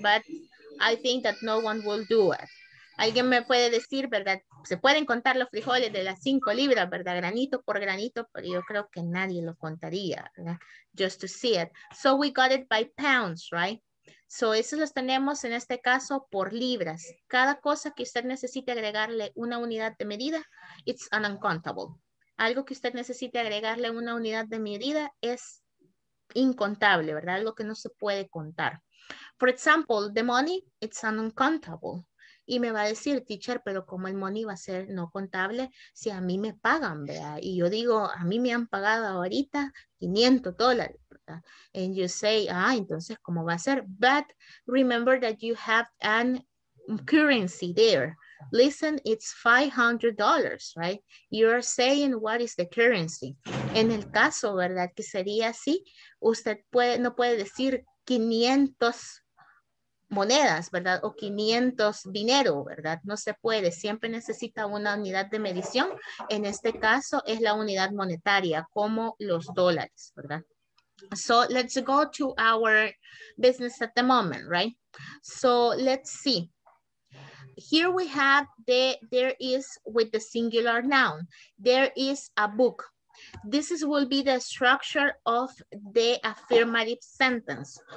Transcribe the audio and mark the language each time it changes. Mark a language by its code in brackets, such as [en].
[en] But I think that no one will do it. [es] Alguien me puede decir, ¿verdad? Se pueden contar los frijoles de las 5 libras, ¿verdad? Granito por granito, pero yo creo que nadie lo contaría, ¿verdad? [en] Just to see it. So we got it by pounds, right? [es] So esos los tenemos en este caso por libras. Cada cosa que usted necesite agregarle una unidad de medida, [en] it's an uncountable. [es] Algo que usted necesite agregarle una unidad de medida es incontable, ¿verdad? Algo que no se puede contar. [en] For example, the money, it's an uncountable. [es] Y me va a decir, teacher, pero ¿cómo el money va a ser no contable si a mí me pagan, ¿verdad? Y yo digo, a mí me han pagado ahorita $500, ¿verdad? [en] And you say, [es] ah, entonces, ¿cómo va a ser? [en] But remember that you have an currency there. Listen, it's $500, right? You are saying what is the currency. [es] En el caso, ¿verdad? Que sería así, usted puede, no puede decir 500 monedas, ¿verdad? O 500 dinero, ¿verdad? No se puede. Siempre necesita una unidad de medición. En este caso es la unidad monetaria, como los dólares, ¿verdad? [en] So let's go to our business at the moment, right? So let's see. Here we have there is with the singular noun. There is a book. This is, will be the structure of the affirmative sentence.